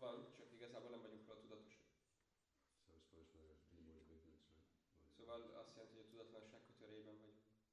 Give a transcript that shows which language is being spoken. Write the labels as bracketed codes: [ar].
[hu] Nekünk van, csak igazából nem vagyunk róla tudatosak. [en] So I suppose we're in more ignorance, right? [hu] Szóval azt jelenti, hogy a tudatlanság kötőjében vagyunk.